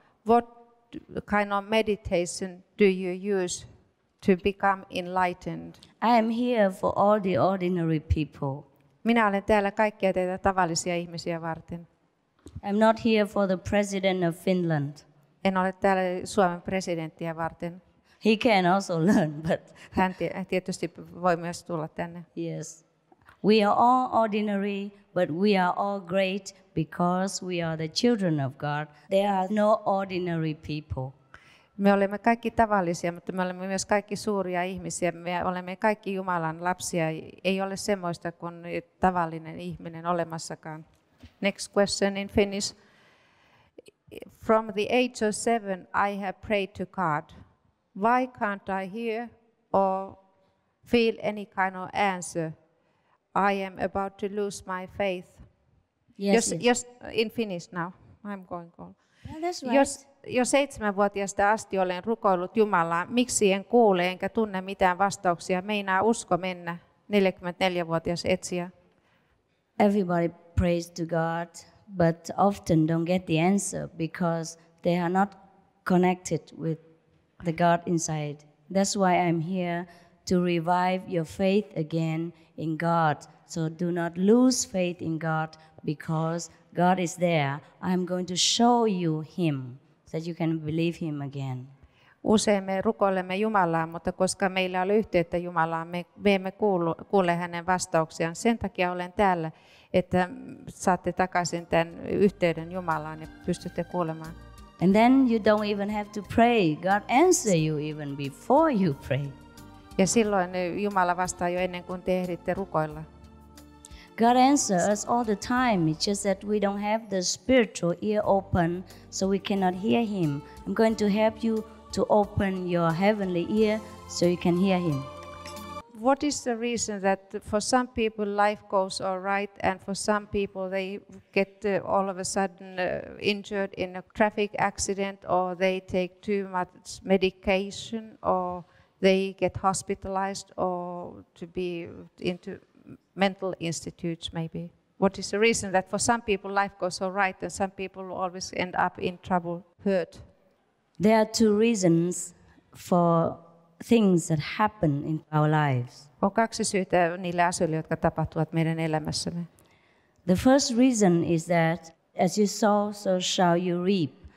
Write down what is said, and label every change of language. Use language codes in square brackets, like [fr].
[en] What kind of meditation do you use to become enlightened? I am here for all the ordinary people. [fi] Minä olen täällä kaikkia teitä tavallisia ihmisiä varten. [en] I'm not here for the president of Finland. [fi] En ole täällä Suomen presidenttiä varten. [en] He can also learn, but [fi] hän tietysti voi myös tulla tänne. [en] Yes. We are all ordinary, but we are all great because we are the children of God. There are no ordinary people. [fi] Me olemme kaikki tavallisia, mutta me olemme myös kaikki suuria ihmisiä. Me olemme kaikki Jumalan lapsia. Ei ole semmoista kuin tavallinen ihminen olemassakaan. [en] Next question in Finnish. From the age of 7, I have prayed to God. Why can't I hear or feel any kind of answer? I am about to lose my faith. Yes. In Finnish now. I'm going on. [fi] Jo 7-vuotiaasta asti olen rukoillut Jumalaa, miksi en kuule enkä tunne mitään vastauksia, meinaa usko mennä, 44-vuotias etsiä. [en] Everybody prays to God, but often don't get the answer because they are not connected with the God inside. That's why I'm here to revive your faith again in God. So do not lose faith in God because God is there. I'm going to show you him that you can believe him again. [fi] Usein me rukoilemme Jumalaa, mutta koska meillä on yhteyttä Jumalaan, me emme kuule hänen vastauksiaan. Sen takia olen täällä, että saatte takaisin tämän yhteyden Jumalaan ja pystytte kuulemaan. [en] And then you don't even have to pray. God answers you even before you pray. [fi] Ja silloin Jumala vastaa jo ennen kuin te ehditte rukoilla. [en] God answers us all the time. It's just that we don't have the spiritual ear open, so we cannot hear him. I'm going to help you to open your heavenly ear so you can hear him. What is the reason that for some people life goes all right and for some people they get all of a sudden injured in a traffic accident or they take too much medication or they get hospitalized or to be into mental institutes maybe? What is the reason that for some people life goes all right and some people always end up in trouble, hurt? There are two reasons for things that happen in our lives. [fi] On kaksi syytä niille asioille, jotka tapahtuvat meidän elämässämme. [en] The first reason is that as you sow, so shall you reap.